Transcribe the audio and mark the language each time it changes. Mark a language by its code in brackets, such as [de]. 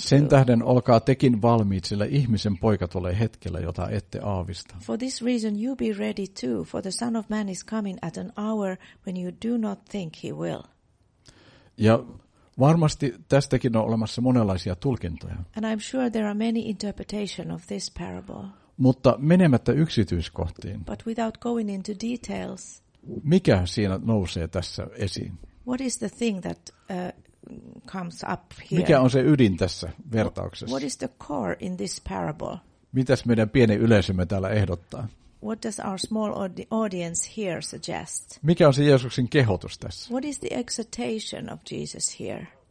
[fi] Sen tähden olkaa tekin valmiit, sillä ihmisen poika tulee hetkellä, jota ette aavista. [en] For this reason you be ready too, for the Son of Man is coming at an hour when you do not think he will. [fi] Ja varmasti tästäkin on olemassa monenlaisia tulkintoja. [en] And I'm sure there are many interpretations of this parable. [fi] Mutta menemättä yksityiskohtiin. [en] But without going into details. [fi] Mikä siinä nousee tässä esiin? [en] What is the thing that comes up here? [fi] Mikä on se ydin tässä vertauksessa? [en] What is the core in this parable? [fi] Mitäs meidän pieni yleisömme täällä ehdottaa? [en] What does our small audience here suggest? [fi] Mikä on se Jeesuksen kehotus tässä? [en] What is the exhortation of Jesus here?